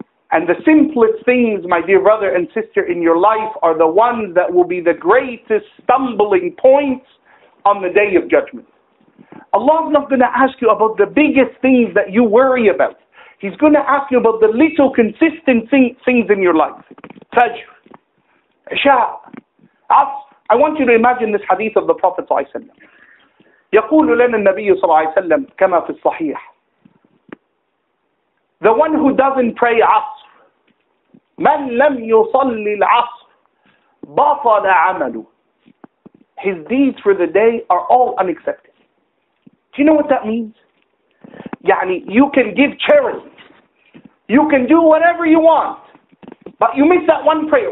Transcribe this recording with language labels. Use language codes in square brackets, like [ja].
[en] And the simplest things, my dear brother and sister, in your life are the ones that will be the greatest stumbling points on the Day of Judgment. Allah is not going to ask you about the biggest things that you worry about. He's going to ask you about the little consistent things in your life. Fajr, Isha, I want you to imagine this hadith of the Prophet ﷺ. [ar] يقول لنا النبي صلى الله عليه وسلم كما في الصحيح. [en] The one who doesn't pray Asr, [ar] من لم يصلي العصر بطل عمله. [en] His deeds for the day are all unaccepted. Do you know what that means? يعني you can give charity, you can do whatever you want, but you miss that one prayer.